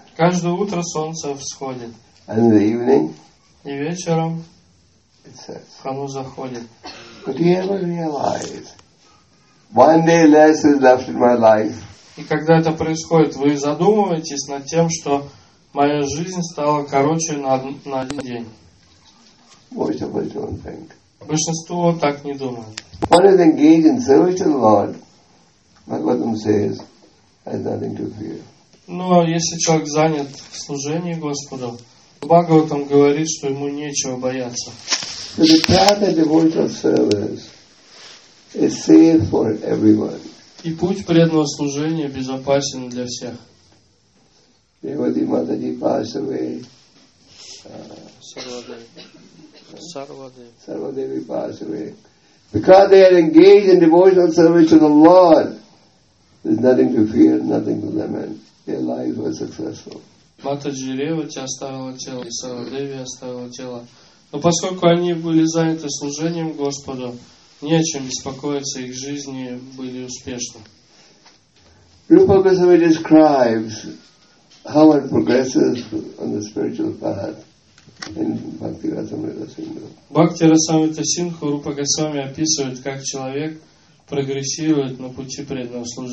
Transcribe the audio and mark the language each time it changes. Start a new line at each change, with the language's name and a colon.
Russian: Каждое утро солнце всходит.
English: And in the evening,
Russian: и вечером
English: it sets.
Russian: Оно заходит.
English: Could you ever realize one day less is left in my life?
Russian: И когда это происходит, вы задумываетесь над тем, что моя жизнь стала короче на один день. Большинство так не думает.
English: One is engaged in service to the Lord, Bhagavatam says, has nothing to fear.
Russian: Но если человек занят в служении Господу, Бхагаватам говорит, что ему нечего бояться.
English: So the path of devotional service is safe for everyone.
Russian: И путь преданного служения безопасен для всех. Матаджи Рева оставила тело, и Сарвадеви оставила тело. Но поскольку они были заняты служением Господу, не о чем беспокоиться, их жизни были успешны.
English: Rupa Goswami describes how one progresses on the spiritual path.
Russian: Бхакти Расамрита Сингху Рупа Госвами описывает, как человек прогрессирует на пути преданного